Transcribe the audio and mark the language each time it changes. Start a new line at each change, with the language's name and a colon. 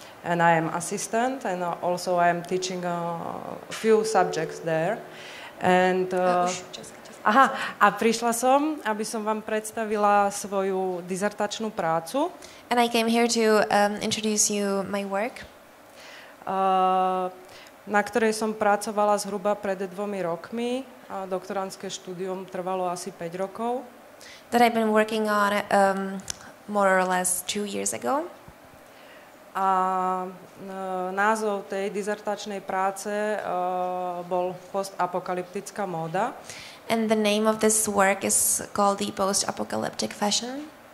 English: And I am assistant, and also I am teaching a few subjects there.
Slovak: And a prišla som, aby som vám predstavila svoju dizertačnú prácu.
English: And I came here to introduce you my work.
Slovak: Na ktorej som pracovala zhruba pred 2 rokmi. Doktorantské štúdium trvalo asi 5 rokov.
English: That I've been working on more or less 2 years ago.
Slovak: A názov tej dizertačnej práce bol postapokalyptická móda.
English: And the name of this work is called the post-apocalyptic fashion.